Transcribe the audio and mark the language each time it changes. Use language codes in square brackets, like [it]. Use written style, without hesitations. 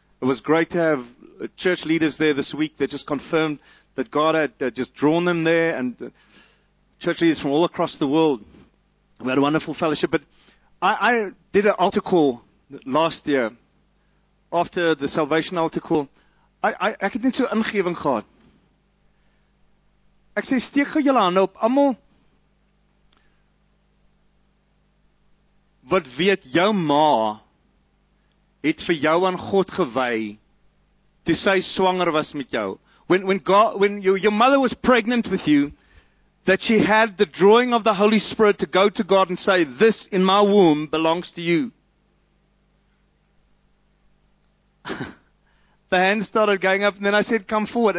[en] It was great to have church leaders there this week that just confirmed that God had just drawn them there, and church leaders from all across the world. We had a wonderful fellowship. But I did an altar call last year after the salvation altar call. [af] Ek het net so ingewing gehad. Ek sê, steek gou julle hande op, almal wat weet, jou ma het vir jou aan God gewy toe sy swanger was met jou. [en] When your mother was pregnant with you, that she had the drawing of the Holy Spirit to go to God and say, this in my womb belongs to you. The hands started going up, and then I said, come forward.